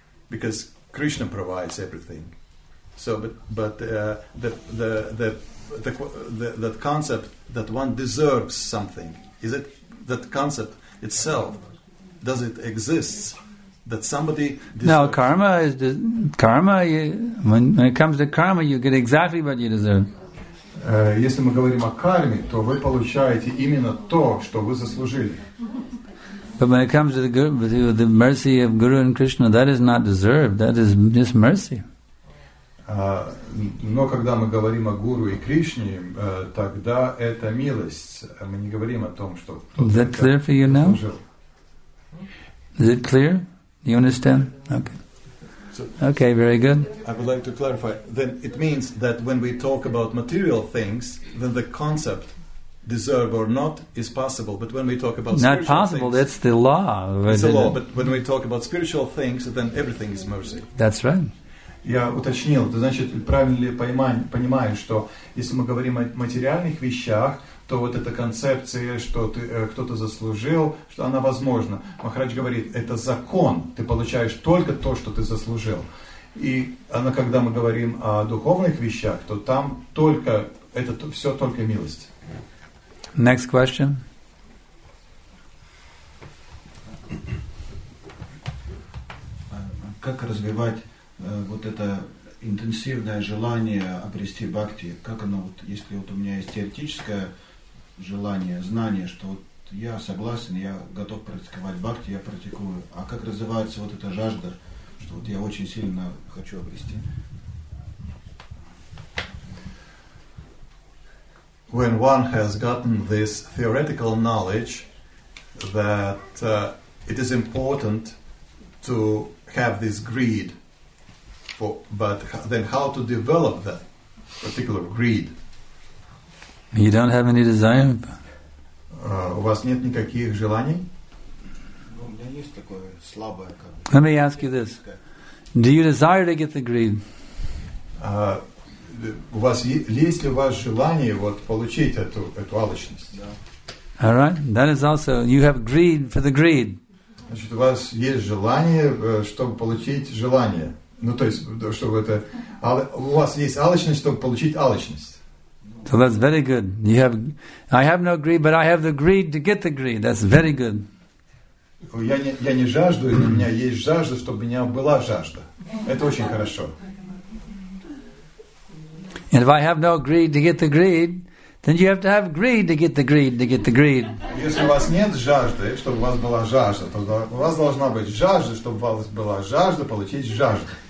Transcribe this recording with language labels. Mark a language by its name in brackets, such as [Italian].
[English] Because Krishna provides everything, so but the concept that one deserves something, is it that concept itself, does it exist that somebody deserves? No, karma is karma. When it comes to karma, you get exactly what you deserve. [Russian] Если мы говорим о карме, то вы получаете именно то, что вы заслужили. [English] But when it comes to the mercy of Guru and Krishna, that is not deserved. That is just mercy. [Russian] Но когда мы говорим о Гуру и Кришне, тогда это милость. Мы не говорим о том, что. [English] Is that clear for you now? Is it clear? You understand? Okay. Okay. Very good. I would like to clarify. Then it means that when we talk about material things, then the concept. Deserve or not is possible, but when we talk about not possible, things, that's the law. It's the law, but when we talk about spiritual things, then everything is mercy. That's right. [Russian] Я уточнил. Это значит, правильно ли понимаю, что если мы говорим о материальных вещах, то вот эта концепция, что ты кто-то заслужил, что она возможна. Махарадж говорит, это закон. Ты получаешь только то, что ты заслужил. И она, когда мы говорим о духовных вещах, то там только это все только милость. [English] Next question. [Russian] Как развивать вот это интенсивное желание обрести бхакти? Как оно вот, если вот у меня есть теоретическое желание, знание, что вот я согласен, я готов практиковать бхакти, я практикую. А как развивается вот эта жажда, что вот я очень сильно хочу обрести? [English] When one has gotten this theoretical knowledge that it is important to have this greed, but then how to develop that particular greed? You don't have any desire? [Russian] У вас нет никаких желаний? У меня есть такое слабое. [English] Let me ask you this. Do you desire to get the greed? [Russian] У вас есть ли у вас желание вот получить эту алчность? [English] Yeah. All right, that is also you have greed for the greed. [Russian] Значит, у вас есть желание, чтобы получить желание. Ну, то есть, чтобы это. У вас есть алчность, чтобы получить алчность. [English] So that's very good. I have no greed, but I have the greed to get the greed. That's very good. [Russian] Я не жажду, у меня есть жажда, чтобы у меня была жажда. Это очень хорошо. [English] And if I have no greed to get the greed, then you have to have greed to get the greed to get the greed. [Russian] Если у вас нет жажды, чтобы у вас была жажда, то у вас должна быть жажда, чтобы у вас была жажда получить жажду.